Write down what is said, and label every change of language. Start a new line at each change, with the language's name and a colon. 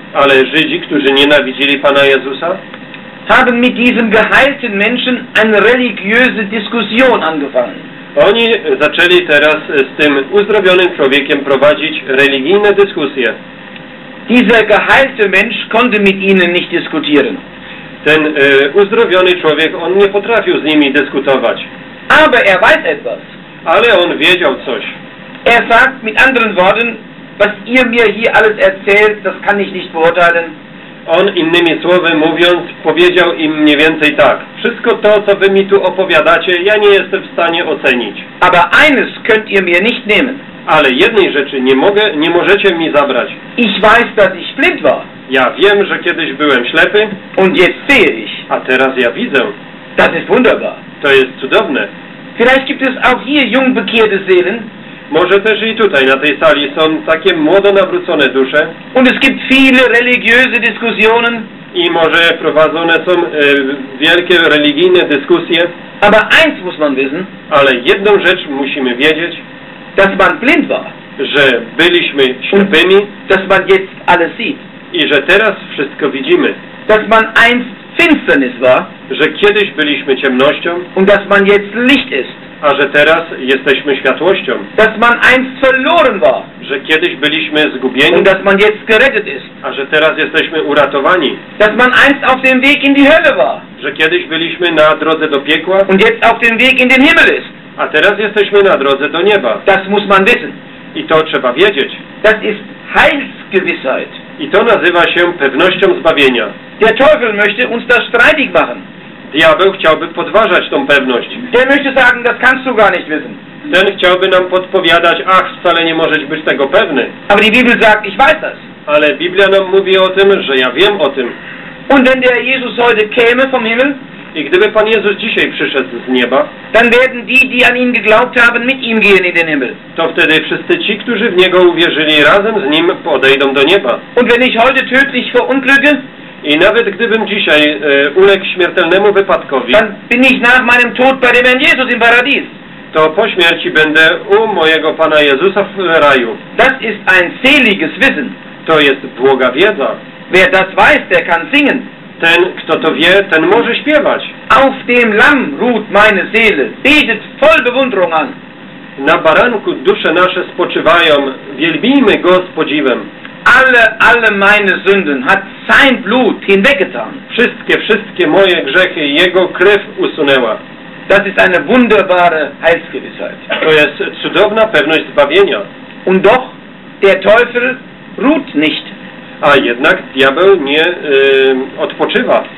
Polish: ale Żydzi, którzy nienawidzili Pana Jezusa,
German: haben mit diesem geheilten Menschen eine religiöse Diskussion angefangen.
Polish: Oni zaczęli teraz z tym uzdrowionym człowiekiem prowadzić religijne dyskusje.
German: Dieser geheilte Mensch konnte mit ihnen nicht diskutieren.
Polish: Ten uzdrowiony człowiek, on nie potrafił z nimi dyskutować.
German: Aber er weiß etwas.
Polish: Ale on wiedział coś.
German: Er sagt mit anderen Worten, was ihr mir hier alles erzählt, das kann ich nicht beurteilen.
Polish: On innymi słowy mówiąc, powiedział im mniej więcej tak. Wszystko to, co wy mi tu opowiadacie, ja nie jestem w stanie ocenić.
German: Aber eines könnt ihr mir nicht nehmen.
Polish: Ale jednej rzeczy nie możecie mi zabrać.
German: Ich weiß, dass ich blind war.
Polish: Ja wiem, że kiedyś byłem ślepy.
German: Und jetzt sehe ich.
Polish: A teraz ja widzę.
German: Das ist wunderbar.
Polish: To jest cudowne.
German: Vielleicht gibt es auch hier jung bekehrte Seelen.
Polish: Może też i tutaj na tej sali są takie młodo nawrócone dusze.
German: Und es gibt viele religiöse Diskussionen.
Polish: I może prowadzone są wielkie religijne dyskusje.
German: Aber eins muss man wissen.
Polish: Ale jedną rzecz musimy wiedzieć.
German: Dass man blind war.
Polish: Że byliśmy ślepymi.
German: Dass man jetzt alles sieht.
Polish: I że teraz wszystko widzimy.
German: Dass man einst Finsternis war.
Polish: Że kiedyś byliśmy ciemnością.
German: Und dass man jetzt Licht ist.
Polish: A że teraz jesteśmy światłością.
German: Dass man einst verloren war.
Polish: Że kiedyś byliśmy zgubieni.
German: Und dass man jetzt gerettet ist.
Polish: A że teraz jesteśmy uratowani.
German: Dass man einst auf dem Weg in die Hölle war.
Polish: Że kiedyś byliśmy na drodze do piekła.
German: Und jetzt auf dem Weg in den Himmel ist.
Polish: A teraz jesteśmy na drodze do nieba.
German: Das muss man wissen.
Polish: I to trzeba wiedzieć.
German: Das ist Heilsgewissheit.
Polish: I to nazywa się pewnością zbawienia.
German: Der Teufel möchte uns das streitig machen.
Polish: Diabeł chciałby podważać tą pewność.
German: Der möchte sagen, das kannst du gar nicht wissen.
Polish: Ten chciałby nam podpowiadać, ach, wcale nie możesz być tego pewny.
German: Aber die Bibel sagt, ich weiß das.
Polish: Ale Biblia nam mówi o tym, że ja wiem o tym.
German: Und wenn der Jesus heute käme vom Himmel,
Polish: i gdyby Pan Jezus dzisiaj przyszedł z nieba,
German: dann werden die, die an ihn geglaubt haben, mit ihm gehen in den Himmel.
Polish: To wtedy wszyscy ci, którzy w Niego uwierzyli, razem z Nim podejdą do nieba.
German: Und wenn ich heute tödlich verunglücke,
Polish: i nawet gdybym dzisiaj uległ śmiertelnemu wypadkowi,
German: dann bin ich nach meinem Tod bei dem Herrn Jesus im Paradies.
Polish: To po śmierci będę u mojego Pana Jezusa w raju.
German: Das ist ein seliges Wissen.
Polish: To jest błoga wiedza.
German: Wer das weiß, der kann singen.
Polish: Ten, kto to wie, ten może śpiewać.
German: Auf dem Lamm ruht meine Seele, betet voll Bewunderung an.
Polish: Na baranku dusze nasze spoczywają, wielbijmy go z podziwem.
German: Alle meine Sünden hat sein Blut hinweggetan.
Polish: Wszystkie moje grzechy jego krew usunęła.
German: Das ist eine wunderbare Heilsgewissheit.
Polish: To jest cudowna pewność zbawienia.
German: Und doch, der Teufel ruht nicht.
Polish: A jednak diabeł nie odpoczywa.